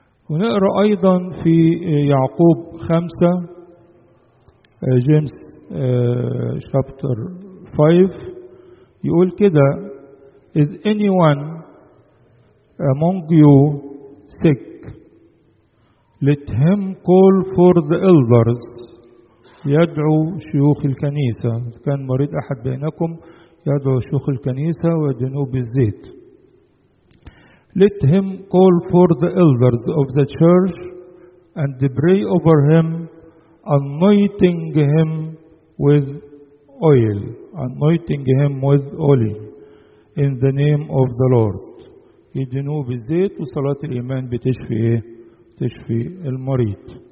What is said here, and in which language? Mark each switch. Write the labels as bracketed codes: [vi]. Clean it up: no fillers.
[ar] ونقرأ أيضا في يعقوب 5 جيمس [en] chapter 5 [ar] يقول كده, [en] is anyone among you sick, let him call for the elders, [ar] يدعو شيوخ الكنيسة. إذا كان مريض أحد بينكم يدعو شيوخ الكنيسة ويدنوا بالزيت. [en] Let him call for the elders of the church and pray over him, anointing him with oil, anointing him with oil in the name of the Lord. [ar] يدنوا بالزيت وصلاة الإيمان بتشفي إيه؟ تشفي المريض.